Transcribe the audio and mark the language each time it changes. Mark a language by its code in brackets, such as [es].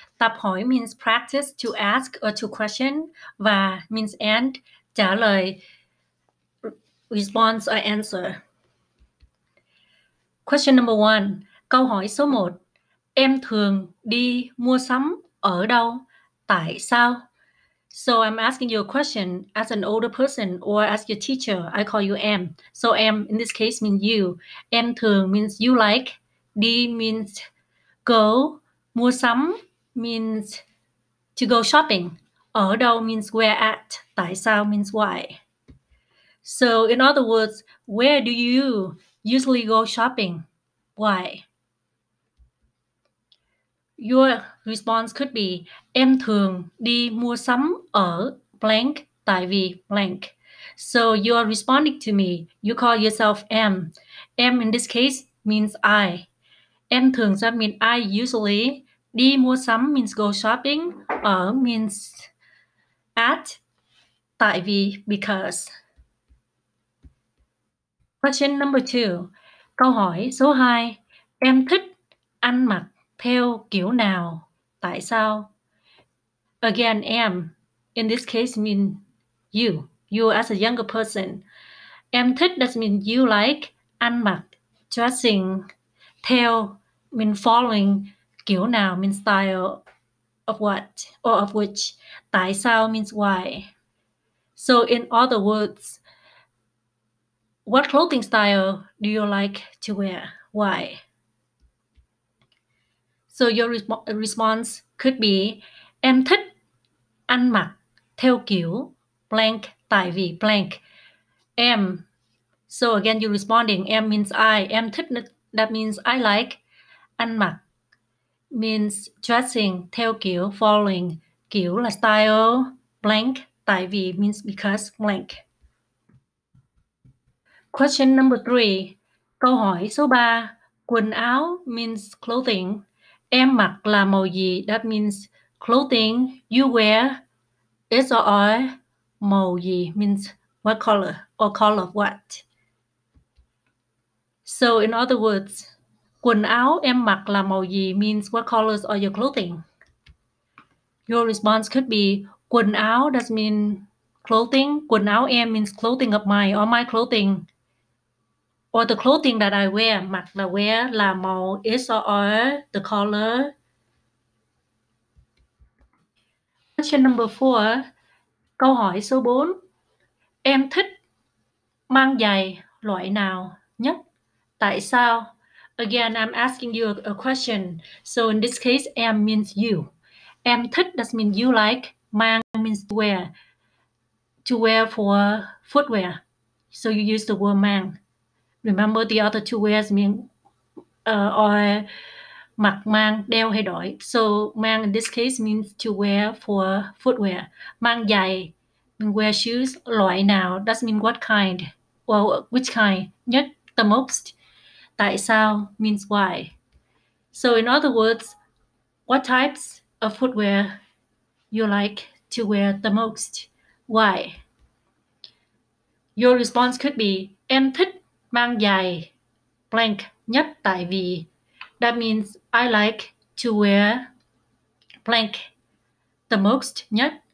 [en] Tập hỏi means practice to ask or to question, và means and trả lời, response or answer. Question number one. [vi] Câu hỏi số 1. Em thường đi mua sắm ở đâu? Tại sao? [en] So I'm asking you a question as an older person or as your teacher. I call you em. So em in this case means you. Em thường means you like. Đi means go. Mua sắm means to go shopping. Ở đâu means where at. Tại sao means why. So in other words, where do you usually go shopping? Why? Your response could be, [vi] em thường đi mua sắm ở blank, tại vì blank. [en] So you are responding to me. You call yourself em. Em in this case means I. Em thường sẽ mean I usually. Đi mua sắm means go shopping. Ở means at, tại vì because. Question number two. [vi] Câu hỏi số 2. Em thích ăn mặc theo kiểu nào? Tại sao? [en] Again, em. In this case, mean you. You as a younger person. Em thích does mean you like ăn mặc, dressing, theo, mean following, kiểu nào, mean style of what or of which. Tại sao means why. So in other words, what clothing style do you like to wear? Why? So your response could be, [vi] em thích ăn mặc theo kiểu blank, tại vì blank. [en] Em, so again you're responding, em means I. Em thích, that means I like, ăn mặc means dressing theo kiểu, following, kiểu là style, blank, tại vì means because, blank. Question number three. [vi] Câu hỏi số 3. Quần áo means clothing. Em mặc là màu gì? [en] That means clothing you wear is or are màu gì? Means what color or color of what? So in other words, [vi] quần áo em mặc là màu gì? [en] Means what colors are your clothing? Your response could be, quần áo does mean clothing. Quần áo em means clothing of mine or my clothing. Or the clothing that I wear, mặc là wear, là màu, is or are, the color. Question number four, [vi] câu hỏi số 4. Em thích mang giày loại nào nhất? Tại sao? [en] Again, I'm asking you a question. So in this case, em means you. Em thích does mean you like, mang means wear, to wear for footwear. So you use the word mang. Remember the other two ways mean or mặc, mang, đeo hay đổi. So mang in this case means to wear for footwear. Mang giày, mean wear shoes, loại nào, does mean what kind, well, which kind, nhất, the most. Tại sao means why. So in other words, what types of footwear you like to wear the most, why. Your response could be, [vi] em thích mang giày blank nhất tại vì. [en] That means I like to wear blank the most nhất.